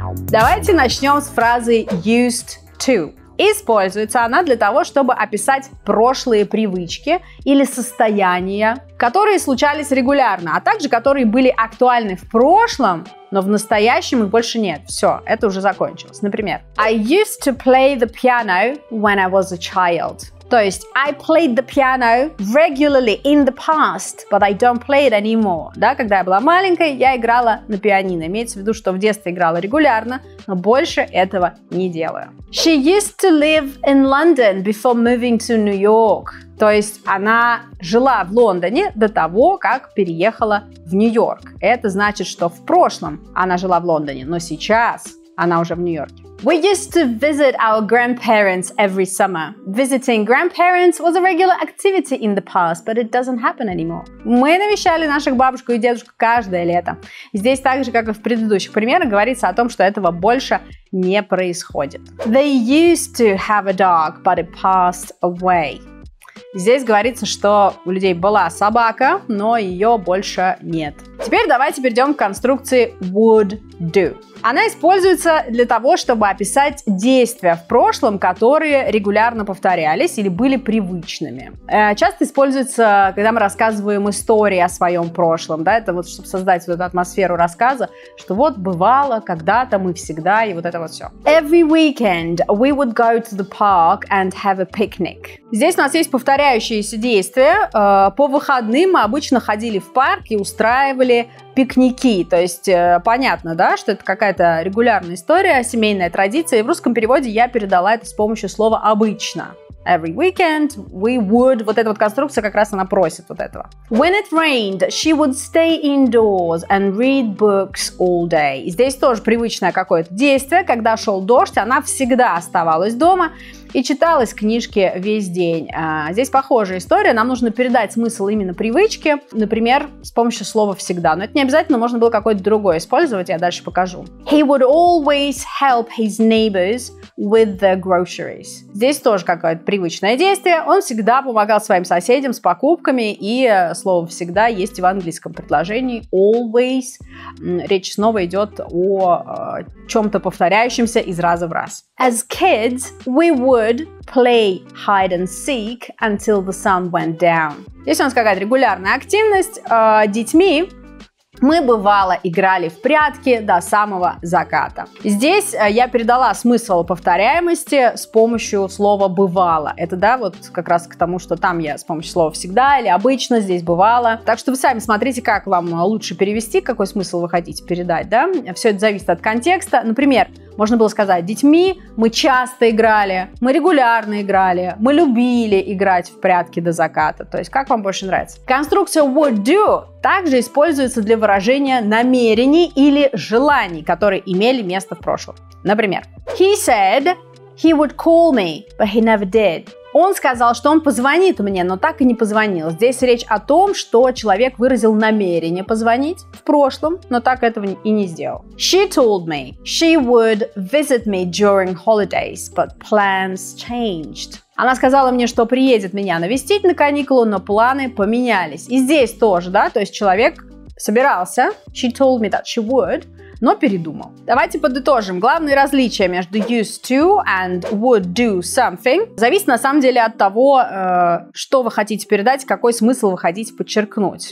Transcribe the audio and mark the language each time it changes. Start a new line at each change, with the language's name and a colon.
Russian: Давайте начнем с фразы used to. Используется она для того, чтобы описать прошлые привычки или состояния, которые случались регулярно, а также которые были актуальны в прошлом, но в настоящем их больше нет. Все, это уже закончилось.
English: Например, I used to play the piano when I was a child.
Russian: То есть,
English: I played the piano regularly in the past, but I don't play it anymore.
Russian: Да, когда я была маленькой, я играла на пианино. Имеется в виду, что в детстве играла регулярно, но больше этого не делаю.
English: She used to live in London before moving to New York.
Russian: То есть, она жила в Лондоне до того, как переехала в Нью-Йорк. Это значит, что в прошлом она жила в Лондоне, но сейчас она уже в Нью-Йорке.
English: We used to visit our grandparents every summer. Visiting grandparents was a regular activity in the past, but it doesn't happen anymore.
Russian: Мы навещали наших бабушку и дедушку каждое лето. Здесь так же, как и в предыдущих примерах, говорится о том, что этого больше не происходит.
English: They used to have a dog, but it passed away.
Russian: Здесь говорится, что у людей была собака, но ее больше нет. Теперь давайте перейдем к конструкции would do. Она используется для того, чтобы описать действия в прошлом, которые регулярно повторялись или были привычными. Часто используется, когда мы рассказываем истории о своем прошлом, да, это вот чтобы создать вот эту атмосферу рассказа, что вот бывало, когда-то, мы всегда, и вот это вот все.
English: Every weekend we would go to the park and have a picnic.
Russian: Здесь у нас есть повторяющиеся действия. По выходным мы обычно ходили в парк и устраивали пикники, то есть понятно, да, что это какая-то регулярная история, семейная традиция, и в русском переводе я передала это с помощью слова «обычно».
English: Every weekend we would,
Russian: вот эта вот конструкция как раз она просит вот этого.
English: When it rained, she would stay indoors and read books all day.
Russian: Здесь тоже привычное какое-то действие, когда шел дождь, она всегда оставалась дома и читалась книжки весь день. Здесь похожая история, нам нужно передать смысл именно привычки, например, с помощью слова «всегда». Но это не обязательно, можно было какое-то другое использовать, я дальше покажу.
English: He would always help his neighbors with the groceries.
Russian: Здесь тоже какое-то привычное действие, он всегда помогал своим соседям с покупками, и слово «всегда» есть в английском предложении «always». Речь снова идет о чем-то повторяющемся из раза в раз.
English: As kids, we would play hide and seek until the sun went down.
Russian: Здесь у нас какая-то регулярная активность. Детьми мы бывало играли в прятки до самого заката. Здесь я передала смысл повторяемости с помощью слова «бывало». Это, да, вот как раз к тому, что там я с помощью слова «всегда» или «обычно» здесь «бывало». Так что вы сами смотрите, как вам лучше перевести, какой смысл вы хотите передать, да? Все это зависит от контекста. Например, можно было сказать, детьми мы часто играли, мы регулярно играли, мы любили играть в прятки до заката. То есть, как вам больше нравится? Конструкция would do также используется для выражения намерений или желаний, которые имели место в прошлом.
English: Например, he said he would call me, but he never did.
Russian: Он сказал, что он позвонит мне, но так и не позвонил. Здесь речь о том, что человек выразил намерение позвонить в прошлом, но так этого и не сделал.
English: She told me she would visit me during holidays, but plans changed.
Russian: Она сказала мне, что приедет меня навестить на каникулы, но планы поменялись. И здесь тоже, да, то есть человек собирался.
English: She told me that she would.
Russian: Но передумал. Давайте подытожим. Главное различие между used to and would do something зависит на самом деле от того, что вы хотите передать, какой смысл вы хотите подчеркнуть.